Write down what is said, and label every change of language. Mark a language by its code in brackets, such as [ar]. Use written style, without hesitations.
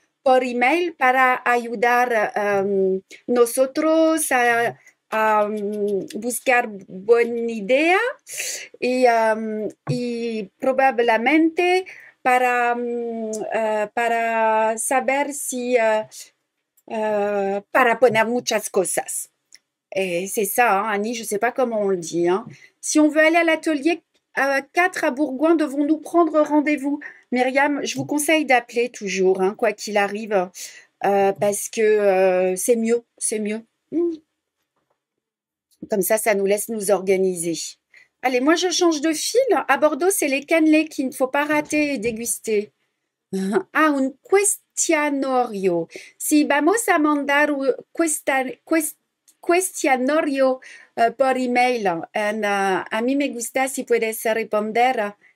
[es] Por email para ayudar nosotros a buscar buena idea y probablemente para saber si para poner muchas cosas. [fr] Et c'est ça, hein, Annie, je ne sais pas comment on le dit. Hein. Si on veut aller à l'atelier 4 à Bourgoin, devons-nous prendre rendez-vous? Myriam, je vous conseille d'appeler toujours, hein, quoi qu'il arrive, parce que c'est mieux, c'est mieux. Comme ça nous laisse nous organiser. Allez, moi, je change de fil. À Bordeaux, c'est les cannelés qu'il ne faut pas rater et déguster. [es] Ah, un questionario. Si vamos a mandar un questionario por email, a mí me gusta si puedes responder.